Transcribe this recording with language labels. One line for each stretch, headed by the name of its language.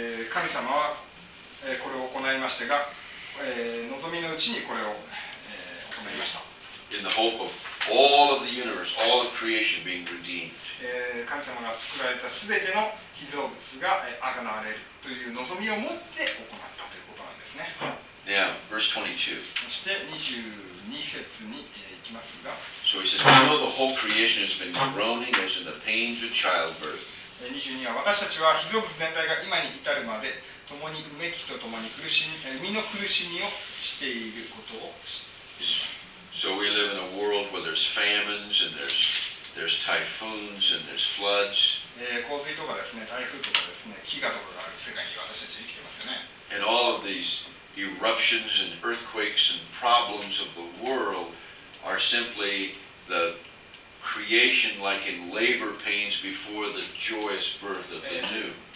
Japanese: 神様は、これを行いましたが、望みのうちにこれを、行いました。
English: In the hope of all of the universe, all of creation being redeemed.
Japanese: 神様が作られたすべての被造物が贖われるという望みを持って行ったということなんですね。
English: Yeah, verse 22.
Japanese: そして22節に、いきますが、
English: So he says, you know the whole creation has been groaning as in the pains of childbirth.
Japanese: 22は、私たちは被造物全体が今に至るまで共にうめきと共に苦しみ、生みの苦しみをしていることを知っています。
English: So we live in a world where there's famines and there's typhoons and there's floods.
Japanese: 洪水とかですね、台風とかですね、飢餓とかがある世界に私たち生きてますよね。
English: And all of these eruptions and earthquakes and problems of the world are simply the creation like in labor pains before the joyous birth of the new.